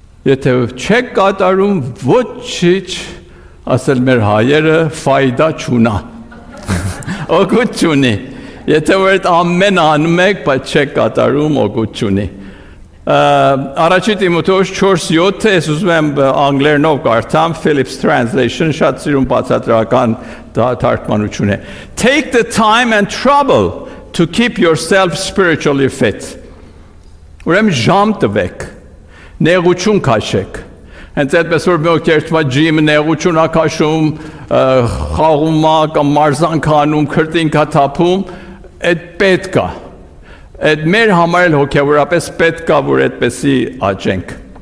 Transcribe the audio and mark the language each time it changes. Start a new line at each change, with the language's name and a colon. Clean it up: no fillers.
Armenian: եթե չեք կատարում, ոչինչ, ասել մեր հայերը, ֆայդա չունա, օգուտ չունի։ Եթե որ այդ ամեն անում եք, բայց չեք կատարում, օգուտ չունի։ Առաջին Տիմոթեոս 4:7, ես ուզում եմ անգլերենով կարդամ, Philip's Translation, շատ սիրում բացատրական թարգմանություն է.
English: Take the time and trouble to keep yourself spiritually fit.
Armenian: Ուրեմն ժամ տվեք, նեղություն քաշեք։ Հենց այդպես որ մի օկերտվա ջիմը նեղություն ա քաշում, խաղում ա կամ մարզանք անում, քրտինք ա թափում, այդ պետք ա։ Այդ մեր համար էլ հոգևորապես պետք ա, որ այդպեսի աճենք։